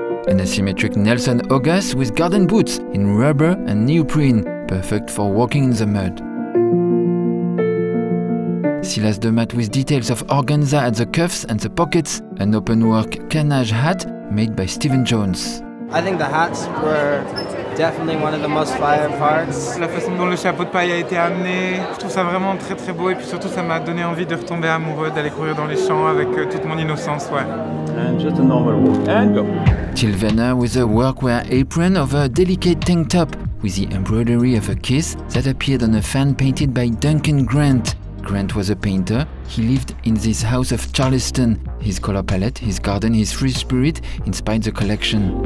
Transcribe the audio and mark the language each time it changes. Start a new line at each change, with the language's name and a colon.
English: An asymmetric Nelson Hogas with garden boots in rubber and neoprene, perfect for walking in the mud. Silas de Mat with details of organza at the cuffs and the pockets, an openwork canage hat made by Stephen Jones. I think the hats were definitely one of the most fire parts.
French: La façon dont le chapeau de paille a été amené, je trouve ça vraiment très très beau et puis surtout ça m'a donné envie de retomber amoureux, d'aller courir dans les champs avec toute mon innocence, ouais.
English: And just a normal walk. And go. Till Venner with a workwear apron over a delicate tank top, with the embroidery of a kiss that appeared on a fan painted by Duncan Grant. Grant was a painter. He lived in this house of Charleston. His color palette, his garden, his free spirit inspired the collection.